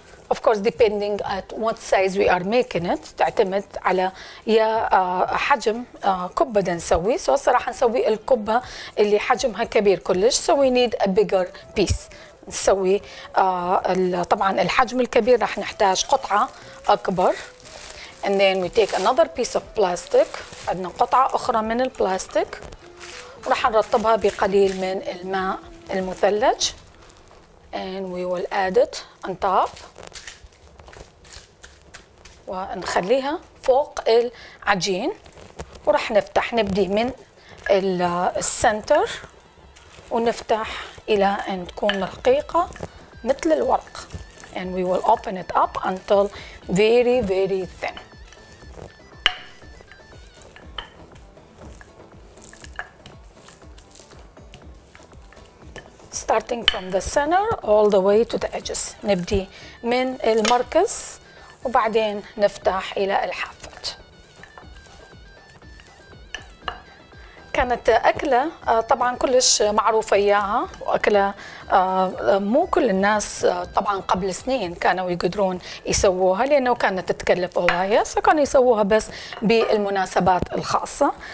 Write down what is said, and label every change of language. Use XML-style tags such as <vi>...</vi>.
<en>Of course, depending at what size we are making it,</en> <ar>تعتمد على يا حجم كبة نسوي. So صراحة نسوي الكبة اللي حجمها كبير كلش.</ar> <en>So we need a bigger piece.</en> <ar>نسوي طبعا الحجم الكبير راح نحتاج قطعة أكبر.</ar> <en>And then we take another piece of plastic.</en> <ar>عندنا قطعة أخرى من البلاستيك. راح نرطبها بقليل من الماء المثلج.</ar> <en>And we will add it on top.</en> <ar>ونخليها فوق العجين. وراح نفتح نبدي من السنتر. ونفتح إلى أن تكون رقيقة مثل الورق.</ar> <en>And we will open it up until very very thin. Starting from the center all the way to the edges.</en> <ar>نبدي من المركز وبعدين نفتح إلى الحافات. كانت أكلة طبعا كلش معروفة إياها وأكلة مو كل الناس طبعا قبل سنين كانوا يقدرون يسووها لأنه كانت تتكلف هواية فكانوا يسووها بس بالمناسبات الخاصة.</ar>